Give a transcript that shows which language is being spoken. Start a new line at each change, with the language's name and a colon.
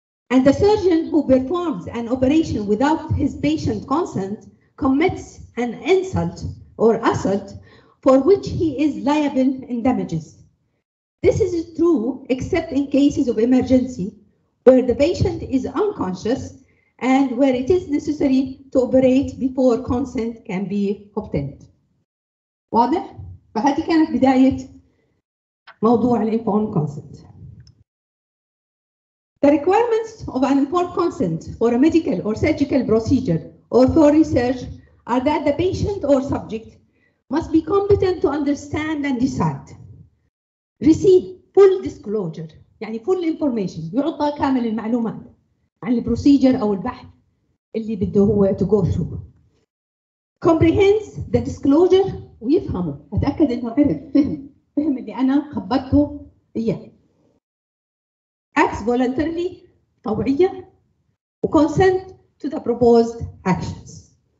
English: And the surgeon who performs an operation without his patient consent commits an insult or assault for which he is liable in damages. This is true except in cases of emergency where the patient is unconscious and where it is necessary to operate before consent can be obtained.
Arabic: واضح؟ فهذه كانت بداية موضوع الـ informed consent.
English: The requirements of an informed consent for a medical or surgical procedure or for research are that the patient or subject must be competent to understand and decide. Receive full disclosure,
Arabic: يعني
English: full information,
Arabic: يعطى كامل المعلومات عن البروسيجر أو البحث اللي بده هو
English: to go through. Comprehends the disclosure
Arabic: ويفهمه, أتأكد إنه عرف, فهم اللي أنا خبرته إياه.
English: Acts voluntarily,
Arabic: طوعية,
English: consent to the proposed actions.